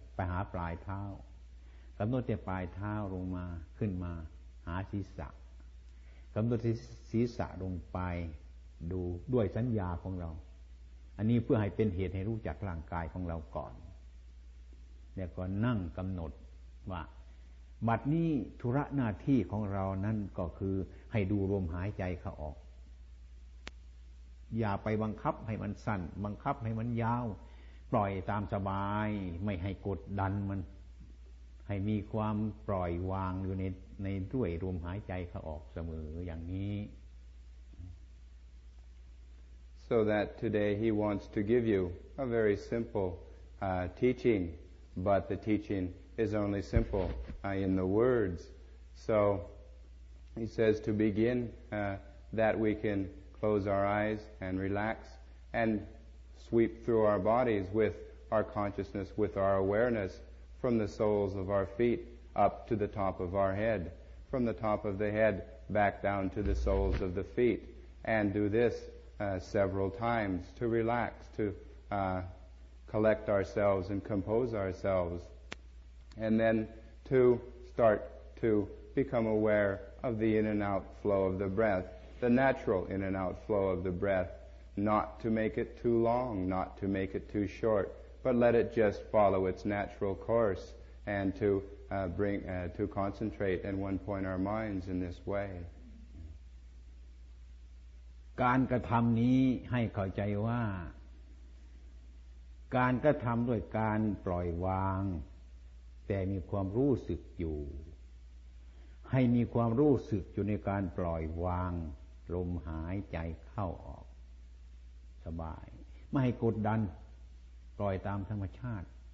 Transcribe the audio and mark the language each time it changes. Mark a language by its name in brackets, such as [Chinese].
[Thai] หาปลายเท้ากำหนดแต่ปลายเท้าลงมาขึ้นมาหาศีรษะกำหนดศีรษะลงไปดูด้วยสัญญาของเราอันนี้เพื่อให้เป็นเหตุให้รู้จักร่างกายของเราก่อนแล้วก็นั่งกำหนดว่าบัดนี้ธุระหน้าที่ของเรานั้นก็คือให้ดูลมหายใจเข้าออก อย่าไปบังคับให้มันสั้นบังคับให้มันยาวปล่อยตามสบายไม่ให้กดดันมันให้มีความปล่อยวางอยู่ในด้วยลมหายใจเข้าออกเสมออย่างนี้ [English] So that today he wants to give you a very simple teaching but the teachingis only simple in the words. So he says to begin that we can close our eyes and relax and sweep through our bodies with our consciousness, with our awareness, from the soles of our feet up to the top of our head, from the top of the head back down to the soles of the feet, and do this several times to relax, to collect ourselves and compose ourselves, and then to start to become aware of the in and out flow of the breath, the natural in and out flow of the breath, not to make it too long, not to make it too short, but let it just follow its natural course, and to bring to concentrate and one point our minds in this way. [Thai] การกระทำนี้ให้เข้าใจว่าการกระทำด้วยการปล่อยวางแต่มีความรู้สึกอยู่ให้มีความรู้สึกอยู่ในการปล่อยวางลมหายใจเข้าออกสบายไม่ให้กดดันปล่อยตามธรรมชาติ